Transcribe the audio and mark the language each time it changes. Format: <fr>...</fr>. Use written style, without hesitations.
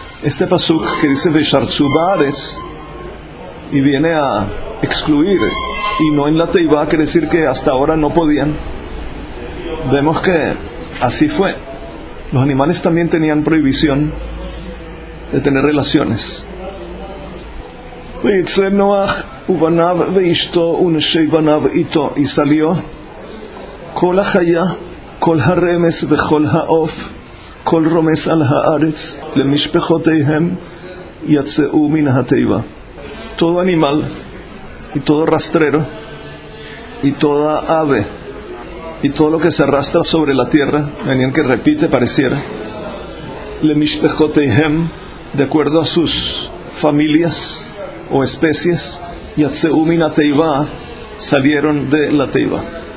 <es>Este pasuk que dice vesharzu baaretz, y viene a excluir, y no en la teiva, quiere decir que hasta ahora no podían. Vemos que así fue. Los animales también tenían prohibición de tener relaciones.</es> <he>Veitze noach ubanav veishto uneshei banav ito,</he> <es>y salió</es> <he>כל החיה, כל הרמס וכל העוף, כל רומס על הארץ, למשפחותיהם יצאו מן התיבה.</he> <es>Todo animal, y todo rastrero, y toda ave, y todo lo que se arrastra sobre la tierra, venían que repite pareciera,</es> <he>למשפחותיהם,</he> <es>de acuerdo a sus familias o especies,</es> <he>יצאו מן התיבה,</he> <es>salieron de la teiva.</es>